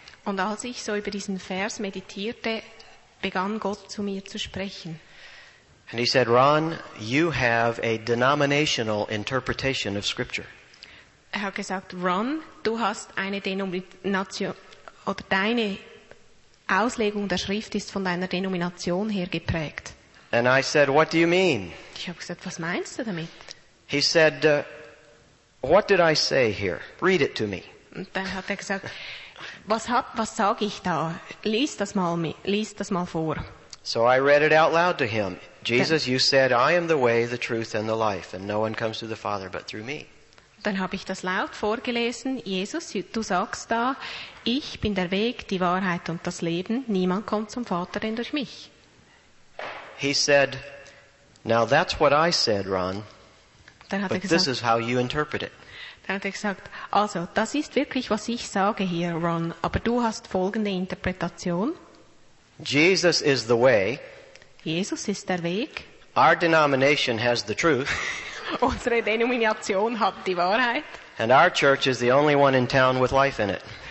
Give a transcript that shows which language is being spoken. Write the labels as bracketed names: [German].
[German] Und als ich so über diesen Vers meditierte, begann Gott zu mir zu sprechen. [English] And he said, Ron, you have a denominational interpretation of Scripture. [German] Er hat gesagt, Ron, du hast eine Denomination, oder deine Auslegung der Schrift ist von deiner Denomination her geprägt. [English] And I said, what do you mean? [German] Ich habe gesagt, was meinst du damit? [English] He said, what did I say here? Read it to me. [German] Und dann hat er gesagt, was sage ich da? Lies das mal vor. [English] So I read it out loud to him. Jesus, you said, I am the way, the truth and the life, and no one comes to the Father but through me. [German] Dann habe ich das laut vorgelesen. Jesus, du sagst da, ich bin der Weg, die Wahrheit und das Leben. Niemand kommt zum Vater, denn durch mich. [English] He said, now that's what I said, Ron. [German] Dann hat [English] but [German] er gesagt, [English] this is how you interpret it. [German] Dann hat er gesagt, also, das ist wirklich, was ich sage hier, Ron. Aber du hast folgende Interpretation. [English] Jesus is the way. [German] Jesus ist der Weg. [English] Our denomination has the truth. [German] Unsere Denomination hat die Wahrheit. [English] And our church is the only one in town with life in it.